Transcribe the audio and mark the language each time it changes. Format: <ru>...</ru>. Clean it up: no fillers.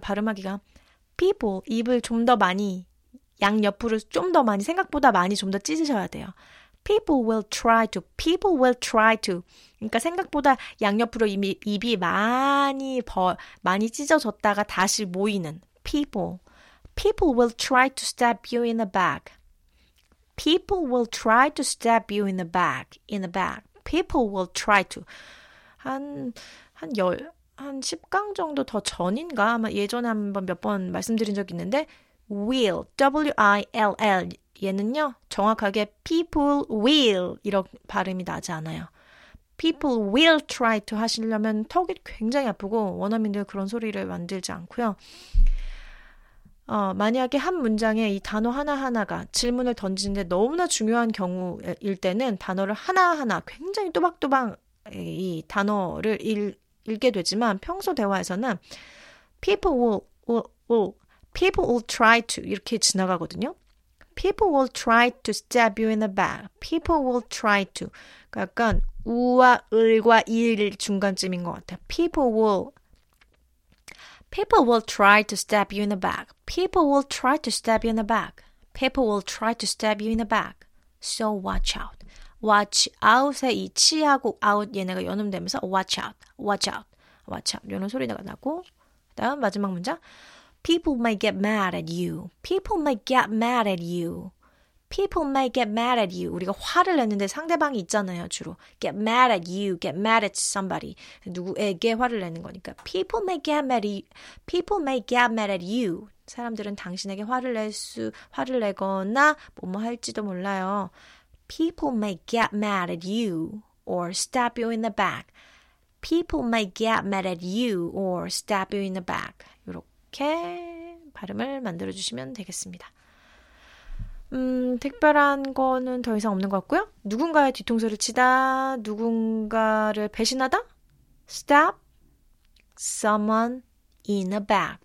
<ko>발음하기가.</ko> <en>People.</en> <ko>입을 좀 더 많이. 양 옆으로 좀 더 많이. 생각보다 많이 좀 더 찢으셔야 돼요.</ko> <en>People will try to. People will try to.</en> <ko>그러니까 생각보다 양옆으로 입이 많이 많이 찢어졌다가 다시 모이는.</ko> <en>People. People will try to stab you in the back. People will try to stab you in the back. In the back. People will try to.</en> <ko>한 10강 정도 더 전인가? 아마 예전에 한번 몇 번 말씀드린 적 있는데 will. W-I-L-L. 얘는요, 정확하게 people will 이런 발음이 나지 않아요.</ko> <en>People will try to</en> <ko>하시려면 턱이 굉장히 아프고 원어민들 그런 소리를 만들지 않고요. 만약에 한 문장에 이 단어 하나하나가 질문을 던지는데 너무나 중요한 경우일 때는 단어를 하나하나 굉장히 또박또박 이 단어를 읽게 되지만 평소 대화에서는</ko> <en>people will people will try to</en> <ko>이렇게 지나가거든요.</ko> <en>People will try to stab you in the back. People will try to.</en> <ko>약간 우와 을과 일 중간쯤인 것 같아요.</ko> <en>People will try to stab you in the back. People will try to stab you in the back. People will try to stab you in the back. So watch out.</en> <ko>Watch out의 이 치하고 out 얘네가 연음되면서</ko> <en>watch out. Watch out. Watch out.</en> <ko>이런 소리가 나고 그다음 마지막 문장.</ko> <en>People might get mad at you. People might get mad at you. People might get mad at you.</en> <ko>우리가 화를 냈는데 상대방이 있잖아요, 주로.</ko> <en>Get mad at you. Get mad at somebody.</en> <ko>누구에게 화를 내는 거니까.</ko> <en>People might get mad at you. People might get mad at you.</en> <ko>사람들은 당신에게 화를 내거나 뭐뭐 할지도 몰라요.</ko> <en>People might get mad at you or stab you in the back. People might get mad at you or stab you in the back.</en> <ko>이렇게. 이렇게 발음을 만들어주시면 되겠습니다. 특별한 거는 더 이상 없는 것 같고요. 누군가의 뒤통수를 치다, 누군가를 배신하다.</ko> <en>Stab someone in the back.</en>